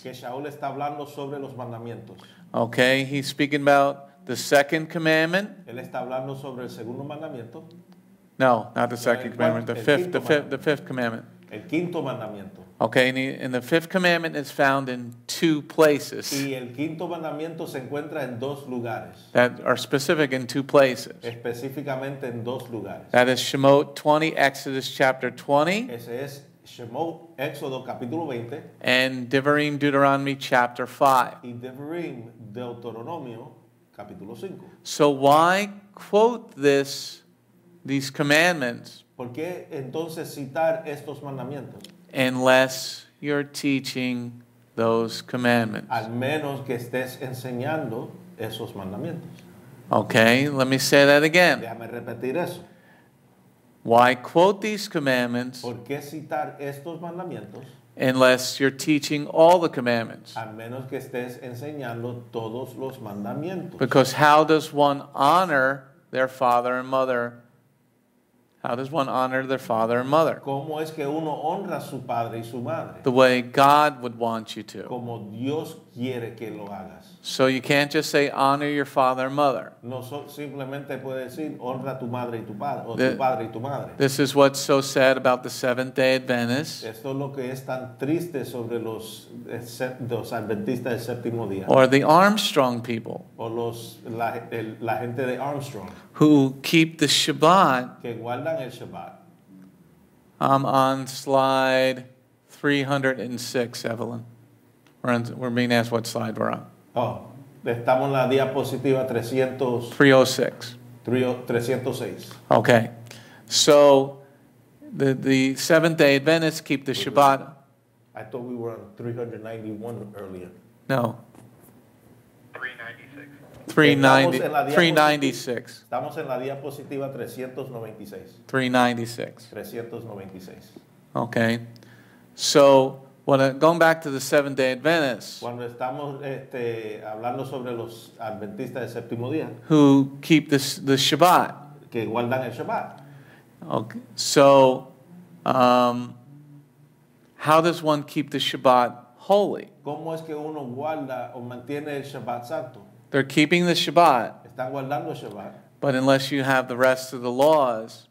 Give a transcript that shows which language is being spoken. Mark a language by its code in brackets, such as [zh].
[es] Que Shaul está hablando sobre los mandamientos. [en] Okay, he's speaking about the second commandment. [es] Él está hablando sobre el segundo mandamiento. [en] No, not the second commandment, the fifth commandment. [es] El quinto mandamiento. [en] Okay, and the fifth commandment is found in two places. [es] Y el quinto mandamiento se encuentra en dos lugares. [en] That are specific in two places. [es] Específicamente en dos lugares. [en] That is Shemot 20, Exodus chapter 20. [es] Ese es Shemot, Éxodo capítulo 20. [en] And Devarim, Deuteronomy chapter 5. [es] Y Devarim, Deuteronomio capítulo 5. [en] So why quote these commandments? [es] ¿Por qué entonces citar estos mandamientos? [en] Unless you're teaching those commandments. [es] Al menos que estés enseñando esos mandamientos. [en] Okay, let me say that again. [es] Déjame repetir eso. [en] Why quote these commandments? [es] ¿Por qué citar estos mandamientos? [en] Unless you're teaching all the commandments. [es] Al menos que estés enseñando todos los mandamientos. [en] Because how does one honor their father and mother? How does one honor their father and mother? [es] ¿Cómo es que uno honra a su padre y su madre? [en] The way God would want you to. [es] Como Dios quiere que lo hagas. [en] So you can't just say honor your father and mother. [es] No, simplemente puede decir honra tu madre y tu padre, o tu padre y tu madre. [en] This is what's so sad about the Seventh-day Adventists. [es] Esto es lo que es tan triste sobre los adventistas del séptimo día. [en] Or the Armstrong people. [es] O la gente de Armstrong. [en] Who keep the Shabbat. [es] Que guardan el Shabbat. [en] I'm on slide 306, Evelyn. We're being asked what slide we're on. [es] Oh, estamos en la diapositiva 300. 306. 306. [en] Okay. So, the Seventh-day Adventists keep the Shabbat. I thought we were on 391 earlier. No. 396. [es] Estamos en la diapositiva 396. [en] 396. Okay. So, going back to the Seventh-day Adventists. [es] Cuando estamos hablando sobre los adventistas del séptimo día. [en] Who keep the Shabbat. [es] Que guardan el Shabbat. [en] Okay. So, how does one keep the Shabbat holy? [es] ¿Cómo es que uno guarda o mantiene el Shabbat santo? [en] They're keeping the Shabbat. [es] Están guardando Shabbat. [en] But unless you have the rest of the laws.